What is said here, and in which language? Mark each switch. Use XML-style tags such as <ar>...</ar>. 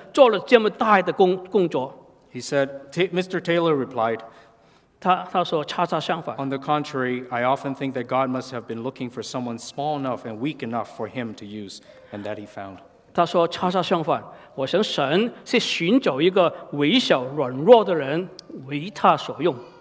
<zh>这个领袖说，你必定是很骄傲，因为你为神做了这么大的工作。</zh> <en>He said, Mr. Taylor replied,</en> <zh>他说恰恰相反。</zh> <en>On the contrary, I often think that God must have been looking for someone small enough and weak enough for him to use, and that he found.</en> <zh>他说恰恰相反，我想神是寻找一个微小软弱的人为他所用。</zh>